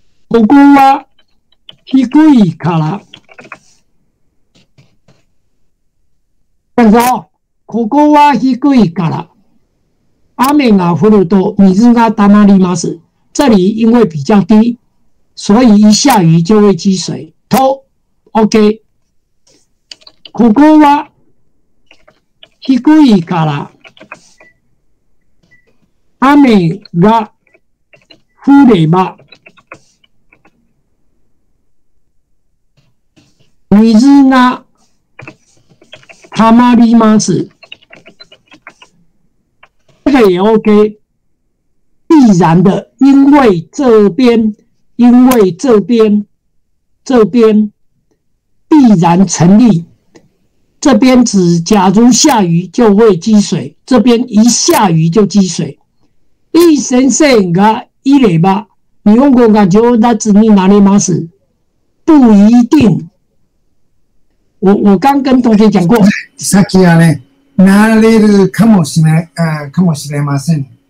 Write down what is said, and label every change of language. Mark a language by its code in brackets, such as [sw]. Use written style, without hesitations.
[ja] ここは低いから、 [zh] 这样子哦， [ja] ここは低いから、雨が降ると水が溜まります。 [zh] 这里因为比较低，所以一下雨就会积水。 [ja] と、OK。ここは低いから、雨が降れば、水が溜まります。 [zh] 这个也 OK。必然的，因为这边，因为这边，这边必然成立。这边只假如下雨就会积水，这边一下雨就积水。 [ja] 一先生が言れば、日本語が上達になります。 [zh] 不一定。我刚跟同学讲过， [ja] さっきはね、なれるかもしれ、かもしれません。